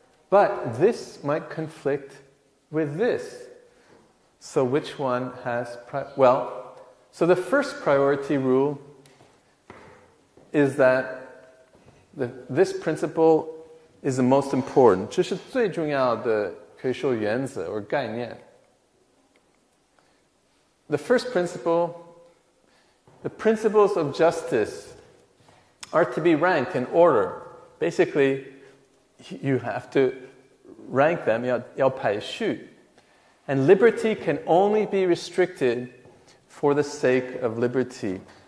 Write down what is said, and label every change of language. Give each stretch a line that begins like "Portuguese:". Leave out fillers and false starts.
English: But this might conflict with this. So which one has... So the first priority rule is that this principle is the most important.
Chinese: 这是最重要的可以说原则或概念.
English: The first principle, the principles of justice are to be ranked in order. Basically, you have to rank them,
Chinese: 要排序.
English: And liberty can only be restricted for the sake of liberty.